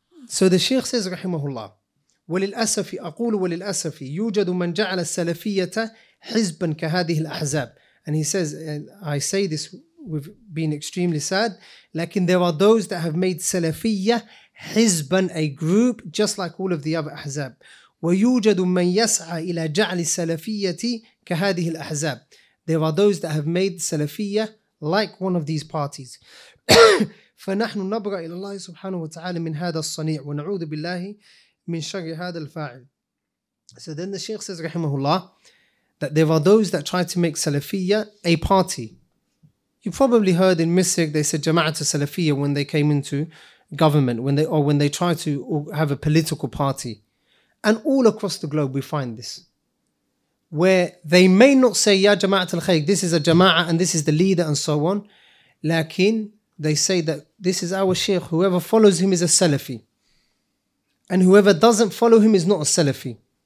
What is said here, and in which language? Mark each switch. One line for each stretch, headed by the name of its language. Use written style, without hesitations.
English: So the Sheikh says,
Arabic: Rahimahullah, وللأسف أقول وللأسف يوجد من جعل السلفية حزبا كهذه الأحزاب.
English: And he says, and I say this with being extremely sad, lakin there are those that have made Salafiyya Hizban a group just like all of the other Ahzab.
Arabic: وَيُوجَدُ مَنْ يَسْعَى إِلَى جَعْلِ سَلَفِيَّةِ كَهَذِهِ الْأَحْزَابِ.
English: There are those that have made Salafiyya like one of these parties.
Arabic: فَنَحْنُ نَبْرَى إِلَى اللَّهِ سُبْحَانَهُ وَتَعَالَى مِنْ هَذَا الصَّنِيعُ وَنَعُوذُ بِاللَّهِ مِنْ شَرِّ هَذَا الْفَاعِلِ.
English: So then the Shaykh says,
Arabic: Rahimahullah,
English: that there are those that try to make Salafiyya a party. You probably heard in Misik they said Jama'at al-Salafiyya when they came into government, when they try to have a political party. And all across the globe we find this, where they may not say Ya Jama'at al-Khayr, this is a Jama'at and this is the leader and so on, lakin they say that this is our Shaykh, whoever follows him is a Salafi, and whoever doesn't follow him is not a Salafi.